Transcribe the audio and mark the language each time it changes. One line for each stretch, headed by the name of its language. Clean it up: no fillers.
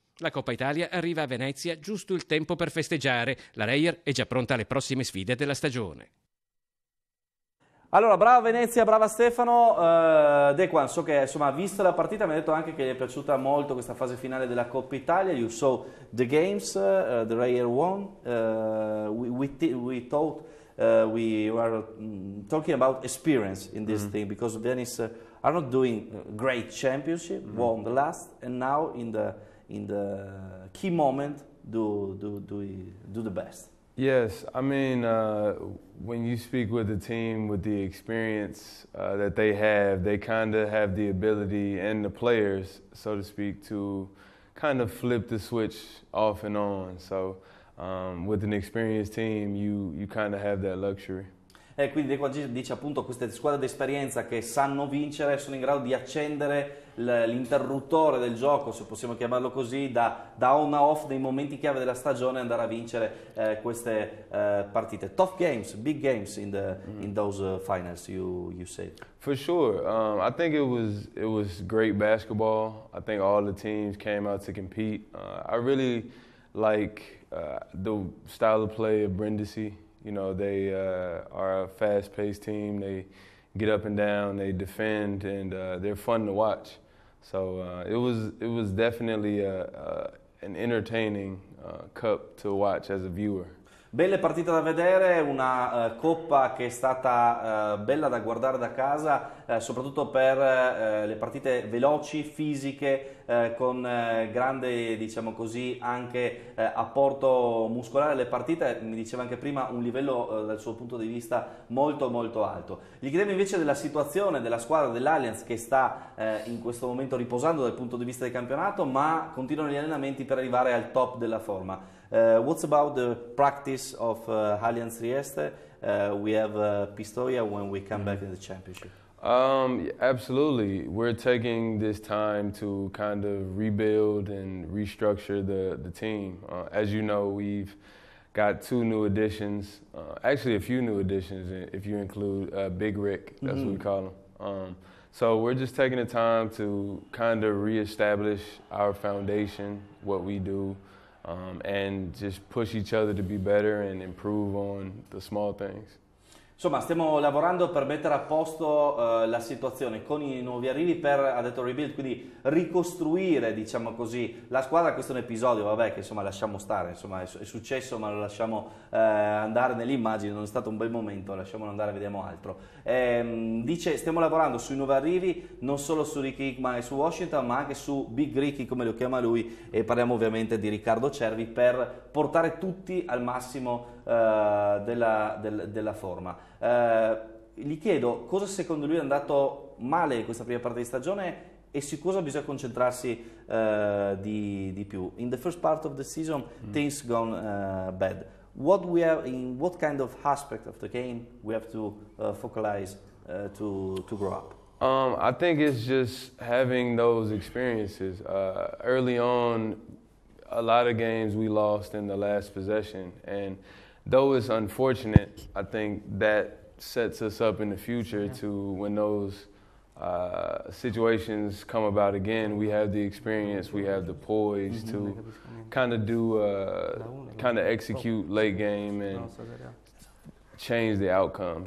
Italian: La Coppa Italia arriva a Venezia giusto il tempo per festeggiare. La Reier è già pronta alle prossime sfide della stagione. Allora, brava Venezia, brava Stefano. Dequan, so che insomma, visto la partita, mi ha detto anche che gli è piaciuta molto questa fase finale della Coppa Italia.
English: You saw the games, the Reier won. We were talking about experience in this thing, because Venice are not doing great championship, won the last, and now in the key moment do the best. Yes, I mean, when you speak with the team, with the experience that they have, they kind of have the ability, and the players, so to speak, to kind of flip the switch off and on. So with an experienced team, you kind of have that luxury.
Italian: E quindi dice appunto, queste squadre d'esperienza che sanno vincere sono in grado di accendere l'interruttore del gioco, se possiamo chiamarlo così, da on a off nei momenti chiave della stagione, andare a vincere queste partite.
English: Tough games, big games in those finals, you said. For sure. I think it was great basketball. I think all the teams came out to compete. I really like the style of play of Brindisi. You know, they are a fast-paced team. They get up and down, they defend, and they're fun to watch. So it was definitely an entertaining cup to watch as a viewer.
Italian: Belle partite da vedere, una coppa che è stata bella da guardare da casa, soprattutto per le partite veloci, fisiche, con grande, diciamo così, anche apporto muscolare. Le partite, mi diceva anche prima, un livello dal suo punto di vista molto molto alto. Gli chiediamo invece della situazione della squadra dell'Allianz, che sta in questo momento riposando dal punto di vista del campionato, ma continuano gli allenamenti per arrivare al top della forma.
English: What's about the practice of Allianz Trieste? We have Pistoia when we come back in the championship. Absolutely. We're taking this time to kind of rebuild and restructure the team. As you know, we've got two new additions, actually a few new additions, if you include Big Rick, that's what we call him. So we're just taking the time to kind of reestablish our foundation, what we do, and just push each other to be better and improve on the small things.
Italian: Insomma, stiamo lavorando per mettere a posto la situazione con i nuovi arrivi, per, ha detto, rebuild, quindi ricostruire, diciamo così, la squadra. Questo è un episodio, vabbè, che insomma lasciamo stare, insomma è successo, ma lo lasciamo andare nell'immagine, non è stato un bel momento, lasciamolo andare, vediamo altro. Dice, stiamo lavorando sui nuovi arrivi, non solo su Ricky Hickman e su Washington, ma anche su Big Ricky, come lo chiama lui, e parliamo ovviamente di Riccardo Cervi, per portare tutti al massimo della forma. Gli chiedo cosa secondo lui è andato male in questa prima parte di stagione e su cosa bisogna concentrarsi di più.
English: In the first part of the season, things gone bad. What we have in what kind of aspect of the game we have to focalize to grow up? I think it's just having those experiences. Early on, a lot of games we lost in the last possession, and though it's unfortunate, I think that sets us up in the future to when those situations come about again, we have the experience, we have the poise to kind of execute late game and change the outcome.